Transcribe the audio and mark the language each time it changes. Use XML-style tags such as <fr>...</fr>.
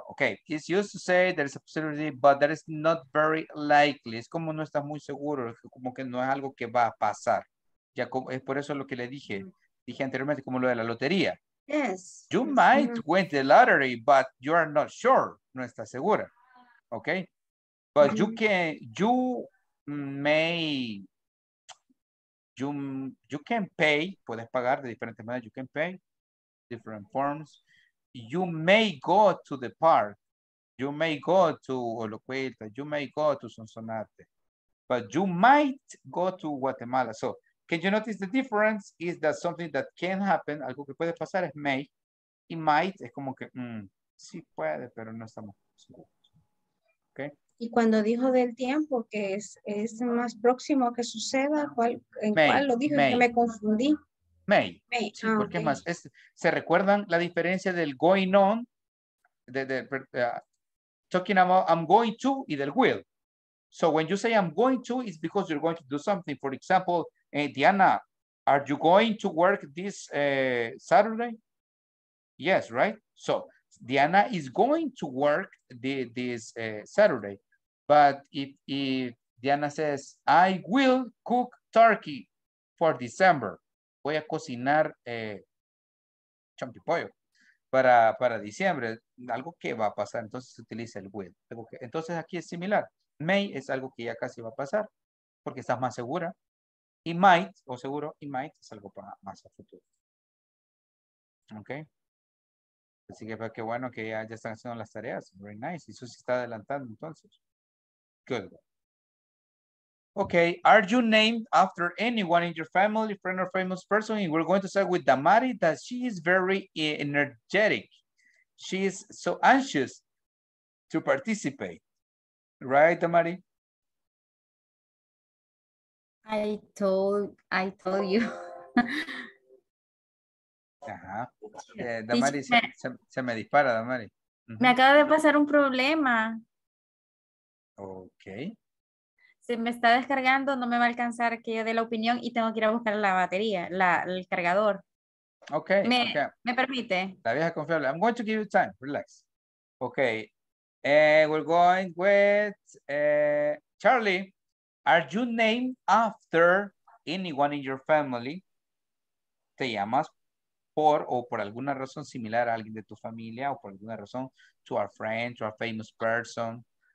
<en>Okay, it's used to say there is a possibility, but that is not very likely.</en> <es>Es como no está muy seguro, como que no es algo que va a pasar. Ya como, es por eso lo que le dije, dije anteriormente, como lo de la lotería.</es> <en>Yes. You might win the lottery, but you are not sure.</en> <es>No está segura.</es> <en>Okay. But you can pay,</en> <es>puedes pagar de diferentes maneras,</es> <en>you can pay, different forms. You may go to the park, you may go to Olocuita, you may go to Sonsonate, but you might go to Guatemala. So, can you notice the difference? Is that something that can happen,</en> <es>algo que puede pasar es may, y might es como que, sí puede, pero no estamos seguros. Okay. Y cuando dijo del tiempo, que es más próximo que suceda, ¿cuál, en May, cuál lo dijo? May. Que me confundí. May. May. Sí, ah, porque okay. Más, es, ¿se recuerdan la diferencia del going on?</es> <en>Talking about I'm going to y del will. So when you say I'm going to, it's because you're going to do something. For example, Diana, are you going to work this Saturday? Yes, right? So Diana is going to work this Saturday. But if Diana says, I will cook turkey for December,</en> <es>voy a cocinar chompi pollo para diciembre, algo que va a pasar, entonces se utiliza el will. Entonces aquí es similar. May es algo que ya casi va a pasar, porque estás más segura. Y might, o seguro, y might es algo para más a futuro. Ok. Así que qué bueno que ya están haciendo las tareas.</es> <en>Very nice.</en> <es>Eso se está adelantando entonces.</es> <en>Good. Okay, are you named after anyone in your family, friend or famous person? And we're going to start with Damari, that she is very energetic. She is so anxious to participate. Right, Damari? I told you.</en> <es>Damari, se me dispara, Damari. Me acaba de pasar un problema. Ok. Se me está descargando, no me va a alcanzar que yo dé la opinión y tengo que ir a buscar la batería, el cargador. Ok. ¿Me permite? La vieja confiable.</es> <en>I'm going to give you time, relax. Ok. We're going with Charlie. Are you named after anyone in your family?</en> <es>¿Te llamas por o por alguna razón similar a alguien de tu familia o por alguna razón</es> <en>to a friend, to a famous person?</en>